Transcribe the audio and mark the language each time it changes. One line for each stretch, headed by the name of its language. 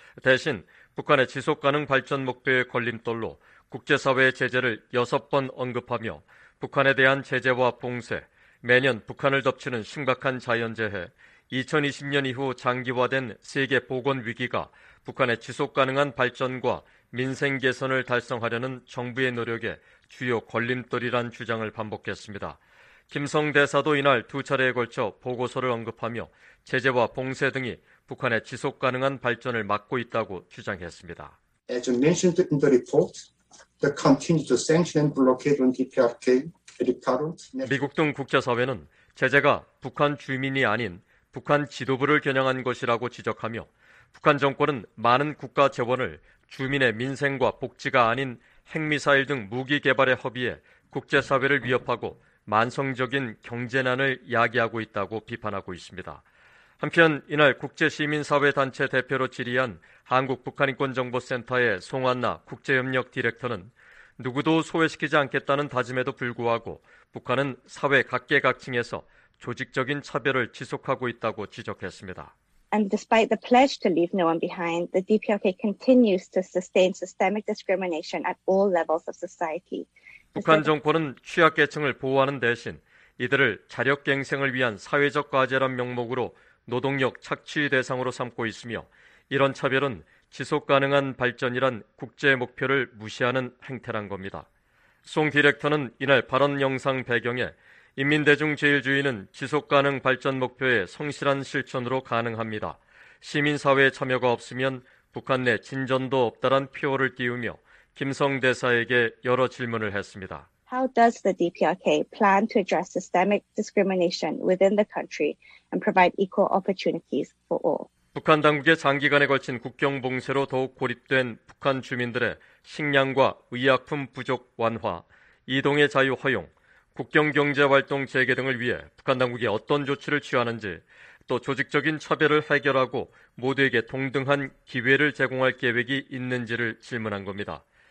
Korean: 대신 북한의 지속가능 발전 목표의 걸림돌로 국제사회의 제재를 6번 언급하며 북한에 대한 제재와 봉쇄, 매년 북한을 덮치는 심각한 자연재해, 2020년 이후 장기화된 세계 보건 위기가 북한의 지속가능한 발전과 민생 개선을 달성하려는 정부의 노력에 주요 걸림돌이란 주장을 반복했습니다. 김성 대사도 이날 두 차례에 걸쳐 보고서를 언급하며 제재와 봉쇄 등이 북한의 지속가능한 발전을 막고 있다고 주장했습니다.
English: As you mentioned in the report, the continued sanction and blockade on DPRK recurrent...
Korean: 미국 등 국제사회는 제재가 북한 주민이 아닌 북한 지도부를 겨냥한 것이라고 지적하며 북한 정권은 많은 국가 재원을 주민의 민생과 복지가 아닌 핵미사일 등 무기 개발에 허비해 국제사회를 위협하고 만성적인 경제난을 야기하고 있다고 비판하고 있습니다. 한편 이날 국제시민사회단체 대표로 질의한 한국북한인권정보센터의 송한나 국제협력 디렉터는 누구도 소외시키지 않겠다는 다짐에도 불구하고 북한은 사회 각계각층에서 조직적인 차별을 지속하고 있다고 지적했습니다.
English: And despite the pledge to leave no one behind, the DPRK continues to sustain systemic discrimination at all levels of society.
Korean: 북한 정권은 취약계층을 보호하는 대신 이들을 자력갱생을 위한 사회적 과제란 명목으로 노동력 착취 대상으로 삼고 있으며 이런 차별은 지속가능한 발전이란 국제 목표를 무시하는 행태란 겁니다. 송 디렉터는 이날 발언 영상 배경에 인민대중제일주의는 지속가능 발전 목표의 성실한 실천으로 가능합니다. 시민사회의 참여가 없으면 북한 내 진전도 없다란 표어를 띄우며 김성 대사에게 여러 질문을 했습니다.
English: How does the DPRK plan to address systemic discrimination within the country and provide equal opportunities for all?
Korean: 북한 당국의 장기간에 걸친 국경 봉쇄로 더욱 고립된 북한 주민들의 식량과 의약품 부족 완화, 이동의 자유 허용, 국경 경제 활동 재개 등을 위해 북한 당국이 어떤 조치를 취하는지, 또 조직적인 차별을 해결하고 모두에게 동등한 기회를 제공할 계획이 있는지를 질문한 겁니다.